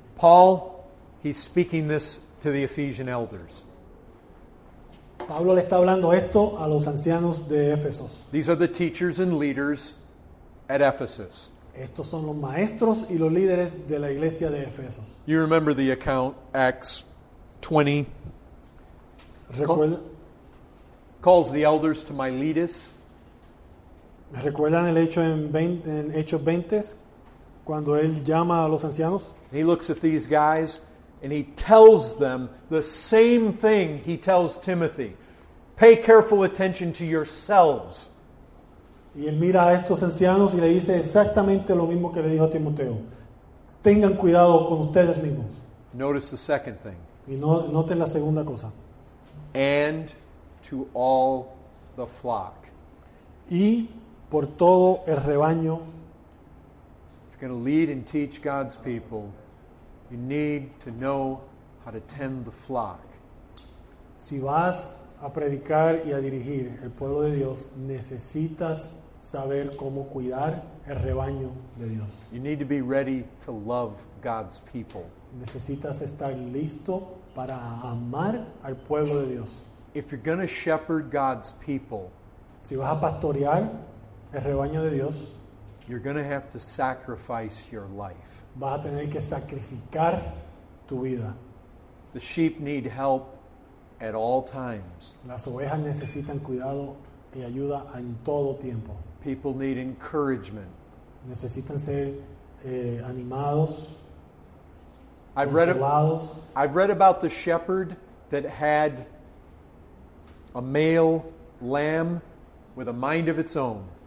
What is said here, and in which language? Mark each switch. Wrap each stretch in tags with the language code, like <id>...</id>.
<en>Paul, he's speaking this to the Ephesian elders.</en> <es>Pablo le está hablando esto a los ancianos de Éfeso.</es> <en>These are the teachers and leaders at Ephesus.</en> <es>Estos son los maestros y los líderes de la iglesia de Éfeso.</es> <en>You remember the account, Acts 20. Calls the elders to Miletus.</en> <es>¿Recuerdan el hecho en Hechos 20? Cuando él llama a los ancianos.</es> <en>He looks at these guys. And he tells them the same thing he tells Timothy. Pay careful attention to yourselves.</en> <es>Y él mira a estos ancianos y le dice exactamente lo mismo que le dijo a Timoteo. Tengan cuidado con ustedes mismos.</es> <en>Notice the second thing.</en> <es>Y noten la segunda cosa.</es> <en>And to all the flock.</en> <es>Y por todo el rebaño.</es> <en>If you're going to lead and teach God's people, you need to know how to tend the flock.</en> <es>Si vas a predicar y a dirigir el pueblo de Dios, necesitas saber cómo cuidar el rebaño de Dios.</es> <en>You need to be ready to love God's people.</en> <es>Necesitas estar listo para amar al pueblo de Dios.</es> <en>If you're going to shepherd God's people,</en> <es>si vas a pastorear el rebaño de Dios,</es> <en>you're going to have to sacrifice your life.</en> <es>Vas a tener que sacrificar tu vida.</es> <en>The sheep need help at all times.</en> <es>Las ovejas necesitan cuidado y ayuda en todo tiempo.</es> <en>People need encouragement.</en> <es>Necesitan ser animados.</es> <en>I've read about the shepherd that had a male lamb with a mind of its own.</en>